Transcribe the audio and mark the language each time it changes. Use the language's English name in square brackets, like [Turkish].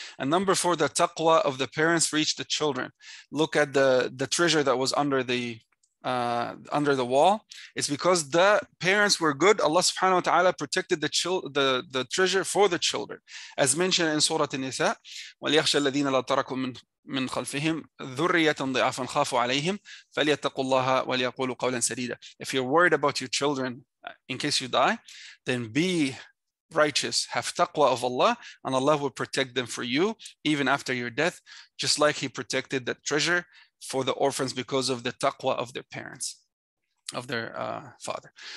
[English] And number four, the taqwa of the parents reached the children. Look at the treasure that was under the wall. It's because the parents were good. Allah subhanahu wa ta'ala protected the treasure for the children. As mentioned in Surah An-Nisa, [Arabic] وَلْيَخْشَ الَّذِينَ لَا تَرَكُوا من خلفهم ذرية ضعفا خافوا عليهم فليتقوا الله وليقولوا قولا سديدا. [English] If you're worried about your children in case you die, then be righteous, have taqwa of Allah, and Allah will protect them for you even after your death, just like He protected that treasure for the orphans because of the taqwa of their parents, of their father.